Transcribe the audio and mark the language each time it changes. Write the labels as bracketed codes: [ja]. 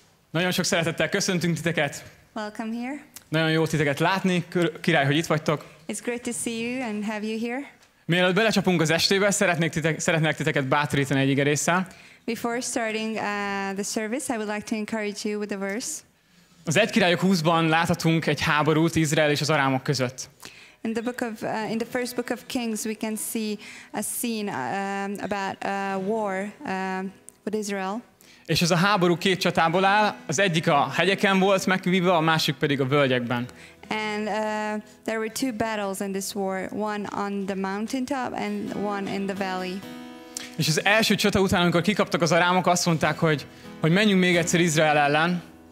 [hu] Nagyon sok szeretettel köszöntünk titeket. [en] Welcome here. [hu] Nagyon jó titeket látni, király, hogy itt vagytok. [en] It's great to see you and have you here. [hu] Mielőtt belecsapunk az estébe, szeretnék titeket bátorítani egy igerésszel. [en] Before starting the service, I would like to encourage you with a verse. [hu] Az 1 Királyok 20-ban láthatunk egy háborút Izrael és az arámok között. [en] In the book of in the first book of Kings we can see a scene about a war with Israel. [hu] És ez a háború két csatából áll, az egyik a hegyeken volt megvívva, a másik pedig a völgyekben. [en] And there were two battles in this war, one on the mountaintop and one in the valley. [hu] És az első csata után, amikor kikaptak az arámok, azt mondták, hogy menjünk még egyszer Izrael ellen.